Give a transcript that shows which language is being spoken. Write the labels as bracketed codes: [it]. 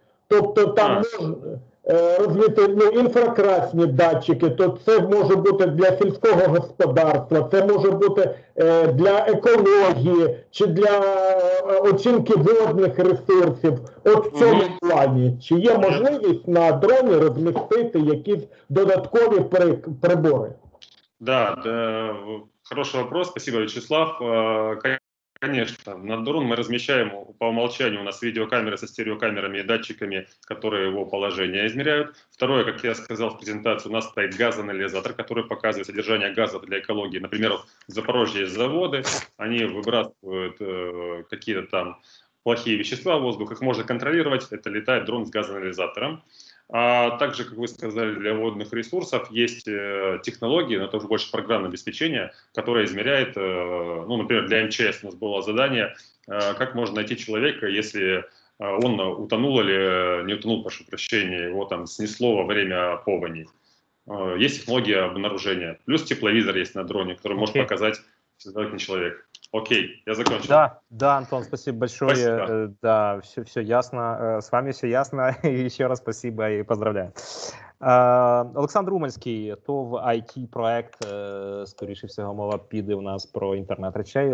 [uk] Тобто там розвити інфракрасні датчики, то це може бути для сільського господарства, це може бути для екології чи для оцінки водних ресурсів. От в цьому плані, чи є можливість на дроні розмістити якісь додаткові прибори? [ru] Да, хороший вопрос, спасибо, Вячеслав. Конечно, на дрон мы размещаем по умолчанию, у нас видеокамеры со стереокамерами и датчиками, которые его положение измеряют. Второе, как я сказал в презентации, у нас стоит газоанализатор, который показывает содержание газов для экологии. Например, в Запорожье есть заводы, они выбрасывают какие-то там плохие вещества в воздух, их можно контролировать, это летает дрон с газоанализатором. А также, как вы сказали, для водных ресурсов есть технологии, но это уже больше программное обеспечение, которое измеряет, ну, например, для МЧС у нас было задание, как можно найти человека, если он утонул или не утонул, прошу прощения, его там снесло во время погони. Есть технология обнаружения. Плюс тепловизор есть на дроне, который может показать, если это не человек. Окей, я закончил. Да, Антон, спасибо большое. Спасибо. Да, все ясно. С вами все ясно. Еще раз спасибо и поздравляю. [uk] Олександр Умальський, то в IT-проект, скоріше всього, мова піде у нас про інтернет речей.